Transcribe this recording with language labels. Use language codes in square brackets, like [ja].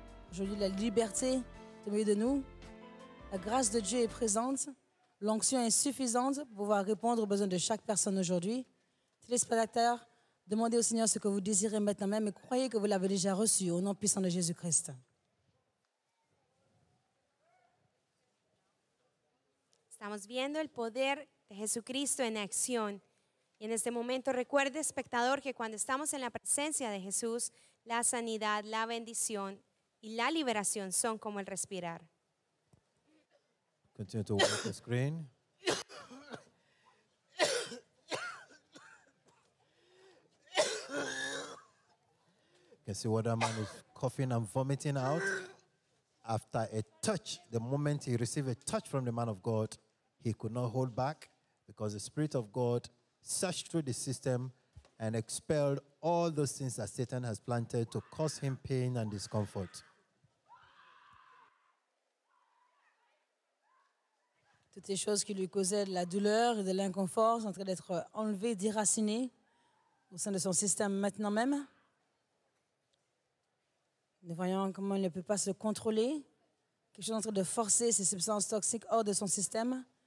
[fr] Aujourd'hui, la liberté est au milieu de nous. La grâce de Dieu est présente. L'onction est suffisante pour pouvoir répondre aux besoins de chaque personne aujourd'hui. Téléspectateurs, demandez au Seigneur ce que vous désirez maintenant même et croyez que vous l'avez déjà reçu au nom puissant de Jésus-Christ. [es] Estamos viendo el poder de Jesucristo en acción. Y en este momento, recuerde, espectador, que cuando estamos en la presencia de Jesús, la sanidad, la bendición y la liberación son como el respirar. [en] Continue to watch the screen. You can see what a man is coughing and vomiting out. After a touch, the moment he received a touch from the man of God, he could not hold back because the Spirit of God searched through the system and expelled all those things that Satan has planted to cause him pain and discomfort. [fr] Toutes les choses qui lui causaient de la douleur et de l'inconfort sont en train d'être enlevées, déracinées au sein de son système maintenant même. Nous voyons comment il ne peut pas se contrôler. Quelque chose en train de forcer ces substances toxiques hors de son système.